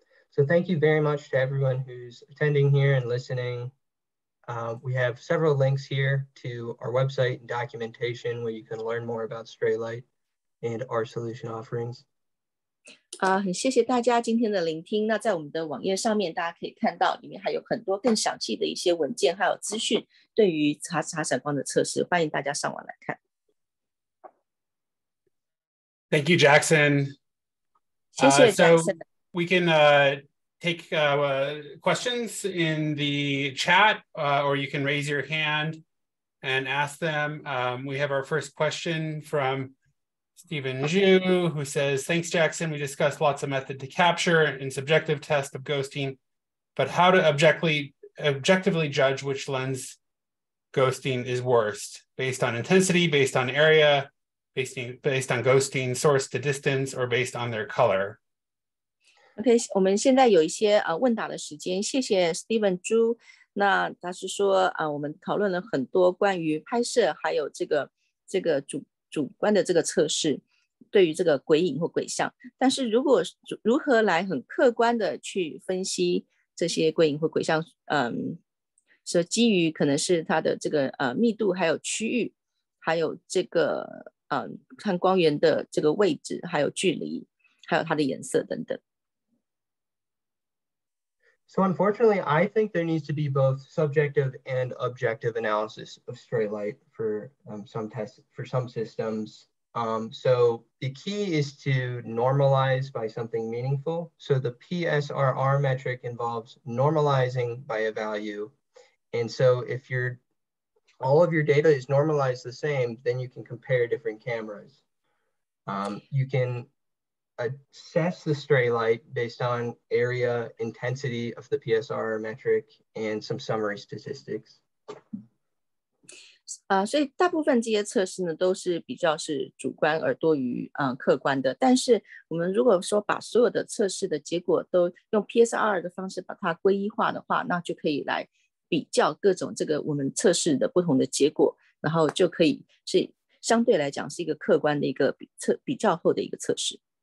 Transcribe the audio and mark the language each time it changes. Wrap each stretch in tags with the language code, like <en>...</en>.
<en>So thank you very much to everyone who's attending here and listening. We have several links here to our website and documentation where you can learn more about stray light and our solution offerings.</en> <zh>很谢谢大家今天的聆听。那在我们的网页上面，大家可以看到里面还有很多更详细的一些文件，还有资讯对于杂闪光的测试，欢迎大家上网来看。</zh> <en>Thank you, Jackson.</en> <zh>谢谢 Jackson.</zh> <en>We can take questions in the chat, or you can raise your hand and ask them. We have our first question from Stephen Zhu, who says, thanks, Jackson. We discussed lots of method to capture and subjective test of ghosting, but how to objectively judge which lens ghosting is worst, based on intensity, based on area, based on ghosting source to distance, or based on their color?</en> <zh>OK, 我们现在有一些问答的时间，谢谢 Stephen Zhu。那他是说我们讨论了很多关于拍摄还有这个主观的这个测试对于这个鬼影或鬼像。但是如何来很客观的去分析这些鬼影或鬼像所基于可能是它的这个密度还有区域还有这个看光源的这个位置还有距离还有它的颜色等等。</zh> <en>So unfortunately, I think there needs to be both subjective and objective analysis of stray light for some tests, for some systems. So the key is to normalize by something meaningful. So the PSRR metric involves normalizing by a value. And so if all of your data is normalized the same, then you can compare different cameras. You canassess the stray light based on area intensity of the PSR metric and some summary statistics.</en> <zh>所以大部分这些测试呢都是比较是主观而多于客观的，但是我们如果说把所有的测试的结果都用 PSR 的方式把它归一化的话，那就可以来比较各种这个我们测试的不同的结果，然后就可以是相对来讲是一个客观的一个 比较后的一个测试。</zh>